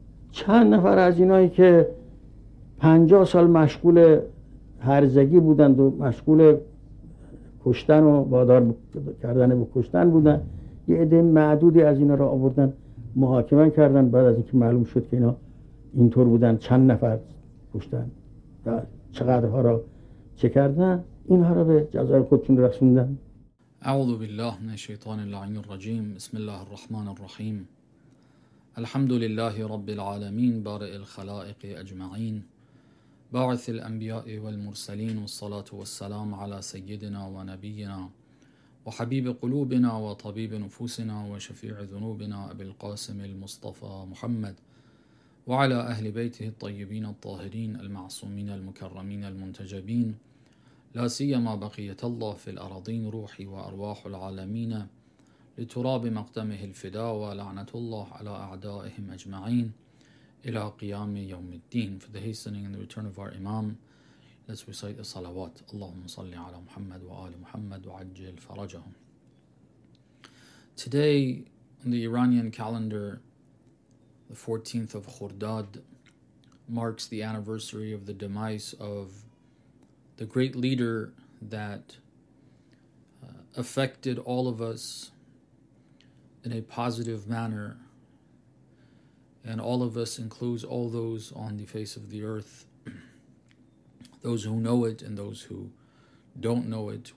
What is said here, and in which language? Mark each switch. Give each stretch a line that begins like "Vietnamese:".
Persian: چند نفر از اینایی که 50 سال مشغول هرزگی بودند و مشغول کشتن و وادار کردن به کشتن بودند، یه عده معدودی از اینا را آوردن محاکمه کردن. بعد از اینکه معلوم شد که اینا اینطور بودند، چند نفر کشتن و چقدرها را چه کردن، اینها را به جزای خودشون رسوندن.
Arabic: أعوذ بالله من الشيطان اللعين الرجيم. بسم الله الرحمن الرحيم. الحمد لله رب العالمين، بارئ الخلائق أجمعين، باعث الأنبياء والمرسلين، والصلاة والسلام على سيدنا ونبينا وحبيب قلوبنا وطبيب نفوسنا وشفيع ذنوبنا أبي القاسم المصطفى محمد، وعلى أهل بيته الطيبين الطاهرين المعصومين المكرمين المنتجبين، لا سيما بقية الله في الأراضين روحي وأرواح العالمين، لتراب مقدمه الفداء ولعنة الله على أعدائهم أجمعين إلى قيام يوم الدين.
English: For the hastening and the return of our Imam, let's recite the salawat.
Arabic: اللهم صل على محمد وآل محمد وعجل فرجهم.
English: Today on the Iranian calendar, the 14th of Khordad marks the anniversary of the demise of the great leader that affected all of us in a positive manner, and all of us includes all those on the face of the earth, those who know it and those who don't know it.